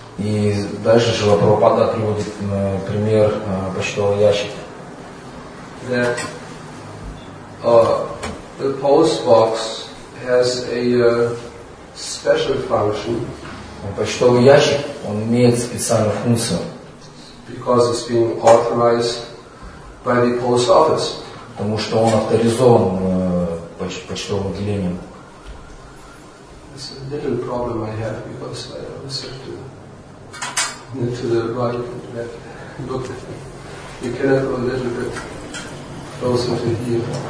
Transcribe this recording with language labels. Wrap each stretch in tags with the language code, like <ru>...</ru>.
<ru>И дальше Srila Prabhupada приводит пример почтового ящика.</ru> <en>The post box has a special function.</en> <ru>Почтовый ящик, он имеет специальную функцию.</ru> <en>Because it's being authorized by the post office.</en> <ru>Потому что он авторизован почтовым отделением.</ru> <en>It's a little problem I have because I always have to move to the right and left. Look, you cannot go a little bit closer to here.</en>